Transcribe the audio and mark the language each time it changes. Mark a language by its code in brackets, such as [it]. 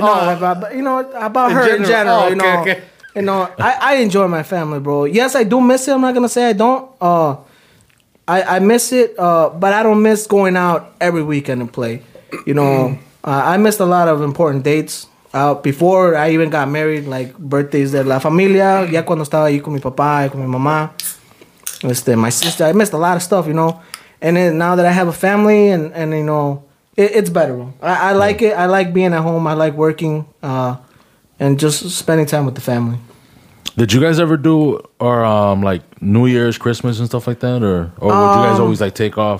[en] About her in general. You know, I enjoy my family, bro. Yes, I do miss it. I'm not gonna say I don't. I miss it, but I don't miss going out every weekend and play. You know, I missed a lot of important dates out before I even got married, like birthdays [es] de la familia. Ya cuando estaba ahí con mi papá y con mi mamá, [en] my sister. I missed a lot of stuff, you know. And then now that I have a family and you know, it's better. I like it. I like being at home. I like working. And just spending time with the family. Did you guys ever do New Year's, Christmas, and stuff like that, or would you guys always like take off?